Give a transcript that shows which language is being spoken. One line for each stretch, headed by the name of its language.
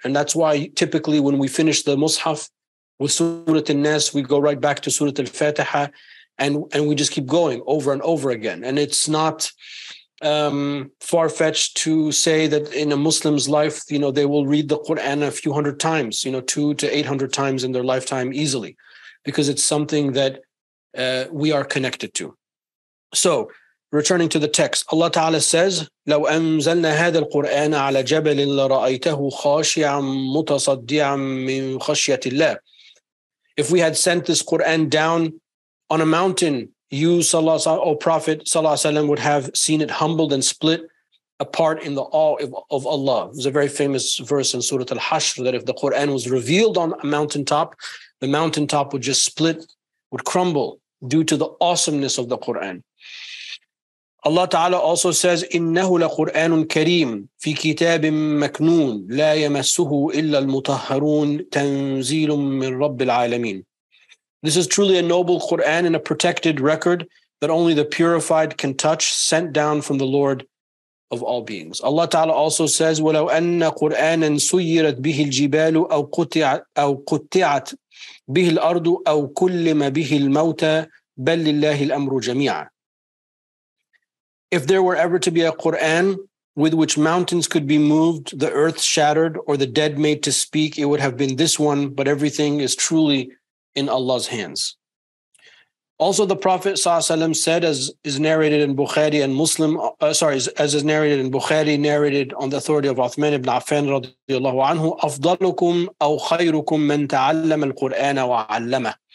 English: And that's why typically when we finish the Mus'haf with Surah An-Nas, we go right back to Surah Al-Fatiha and we just keep going over and over again. And it's not far-fetched to say that in a Muslim's life, you know, they will read the Quran a few hundred times, you know, 200 to 800 times in their lifetime easily, because it's something that we are connected to. So, returning to the text, Allah Ta'ala says,
Arabic: لَوْ أَنزَلْنَا هَذَا الْقُرْآنَ عَلَى جَبَلٍ لَرَأَيْتَهُ خَاشِعًا مُتَصَدِّعًا مِّن خَشْيَةِ اللَّهِ.
English: If we had sent this Quran down on a mountain, you, O Prophet, sallallahu alayhi wa sallam, would have seen it humbled and split apart in the awe of Allah. It was a very famous verse in Surah Al-Hashr that if the Quran was revealed on a mountaintop, the mountaintop would just split, would crumble due to the awesomeness of the Quran. Allah Ta'ala also says,
Arabic: إِنَّهُ لَقُرْآنٌ كَرِيمٌ فِي كِتَابٍ مَكْنُونٌ لَا يَمَسُّهُ إِلَّا الْمُطَهَّرُونَ تَنْزِيلٌ مِّن رَبِّ الْعَالَمِينَ.
English: This is truly a noble Quran and a protected record that only the purified can touch, sent down from the Lord of all beings. Allah Ta'ala also says,
Arabic: وَلَوْ أَنَّ قُرْآنًا سُيِّرَتْ بِهِ الْجِبَالُ أَوْ قُطِعَتْ بِهِ الْأَرْضُ أَوْ كُلِّمَ بِهِ الْمَوْتَى بَلْ لِلَّهِ الْأَمْرُ جَمِيعًا.
English: If there were ever to be a Quran with which mountains could be moved, the earth shattered, or the dead made to speak, it would have been this one, but everything is truly in Allah's hands. Also, the Prophet ﷺ said, as is narrated in Bukhari and Muslim, narrated on the authority of Uthman ibn Affan radiallahu anhu,
Arabic: أَفْضَلُكُمْ أَوْ خَيْرُكُمْ مَنْ تَعَلَّمَ الْقُرْآنَ وَعَلَّمَهُ.